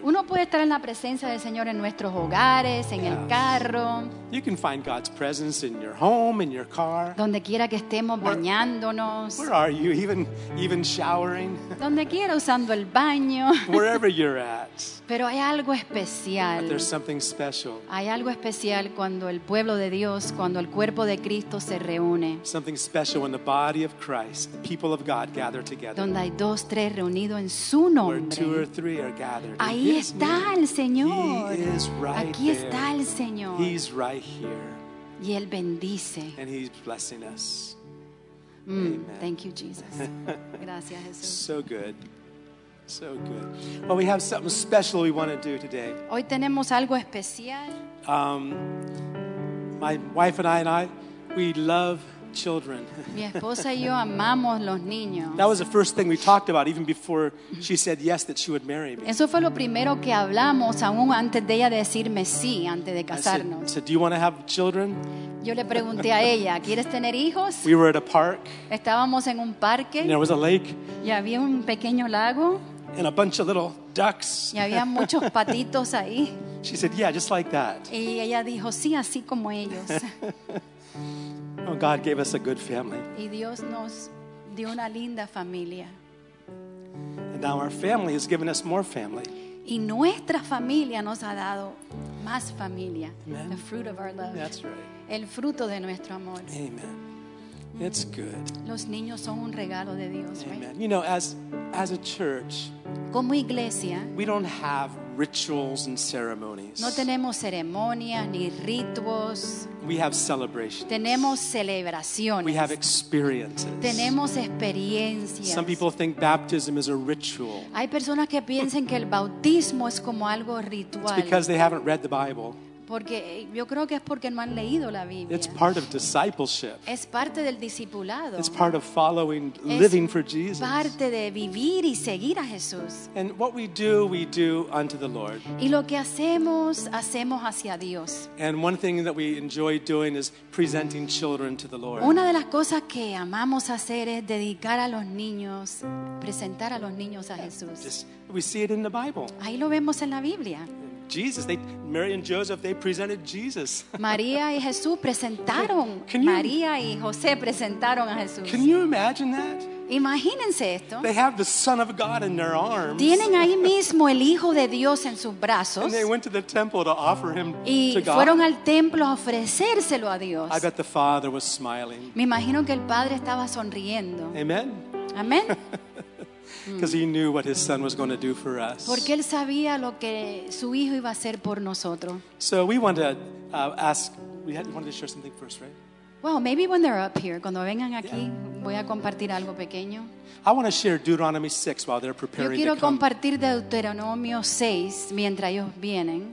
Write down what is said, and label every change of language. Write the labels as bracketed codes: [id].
[es] Uno puede estar en la presencia del Señor en nuestros hogares, en [en] yes. [es] el carro. [en] You can find God's presence in your home, in your car. [es] Donde quiera que estemos bañándonos. [en] Where are you even showering? [es] Donde quiera usando el baño. [en] Wherever you're at. [es] Pero hay algo especial. [en] But there's something special. [es] Hay algo especial cuando el pueblo de Dios, cuando el cuerpo de Cristo se reúne. [en] Something special when the body of Christ, the people of God gather together. [es] Donde hay dos, tres reunidos en su nombre. [en] Where two or three are gathered. [es] Ahí está el Señor. [en] He is right [es] Aquí está [en] there. [es] El Señor. [en] He's right here. [es] Y él bendice. [en] And he's blessing us. Amen. Thank you, Jesus. [es] Gracias, Jesús. [en] So good. So good. Well, we have something special we want to do today. [es] Hoy tenemos algo especial. [en] My wife and I, we love children. [es] Mi esposa y yo amamos los niños. [en] That was the first thing we talked about, even before she said yes that she would marry me. [es] Eso fue lo primero que hablamos, aún antes de ella decirme sí, antes de casarnos. [en] I said, do you want to have children? [es] Yo le pregunté a ella, ¿quieres tener hijos? [en] We were at a park. [es] Estábamos en un parque. [en] And there was a lake. [es] Y había un pequeño lago. [en] And a bunch of little ducks. [es] Y había muchos patitos ahí. [en] She said, yeah, just like that. [es] Y ella dijo, sí, así como ellos. [en] Oh, God gave us a good family. [es] Y Dios nos dio una linda familia. [en] And now our family has given us more family. [es] Y nuestra familia nos ha dado más familia. [en] Amen. The fruit of our love. That's right. [es] El fruto de nuestro amor. [en] Amen. It's good. [es] Los niños son un regalo de Dios. [en] Amen. Right? You know, as a church, [es] como iglesia, [en] we don't have rituals and ceremonies. [es] No tenemos ceremonias ni ritos. [en] We have celebrations. [es] Tenemos celebraciones. [en] We have experiences. [es] Tenemos experiencias. [en] Some people think baptism is a ritual. [es] Hay personas que piensan que el bautismo es como algo ritual. [en] It's because they haven't read the Bible. [es] Porque yo creo que es porque no han leído la Biblia. [en] It's part of discipleship. [es] Es parte del discipulado. [en] It's part of following, living for Jesus. [es] Es parte de vivir y seguir a Jesús. [en] And what we do unto the Lord. [es] Y lo que hacemos, hacemos hacia Dios. [en] And one thing that we enjoy doing is presenting children to the Lord. [es] Una de las cosas que amamos hacer es dedicar a los niños, presentar a los niños a Jesús. [en] Just, we see it in the Bible. [es] Ahí lo vemos en la Biblia. [en] Jesus, Mary and Joseph, they presented Jesus. [es] María y Jesús presentaron. María y José presentaron a Jesús. [en] Can you imagine that? [es] Imagínense esto. [en] They have the Son of God in their arms. [es] Tienen ahí mismo el Hijo de Dios en sus brazos. [en] And they went to the temple to offer him [es] y [en] to God. [es] Y fueron al templo a ofrecérselo a Dios. [en] I bet the Father was smiling. [es] Me imagino que el Padre estaba sonriendo. [en] Amen. Amen. Because he knew what his son was going to do for us. [es] Porque él sabía lo que su hijo iba a hacer por nosotros. [en] So we want to ask. We wanted to share something first, right? Well, maybe when they're up here, [es] cuando vengan aquí, [en] yeah. [es] Voy a compartir algo pequeño. [en] I want to share Deuteronomy 6 while they're preparing. [es] Yo quiero [en] to come. [es] Compartir Deuteronomio 6 mientras ellos vienen.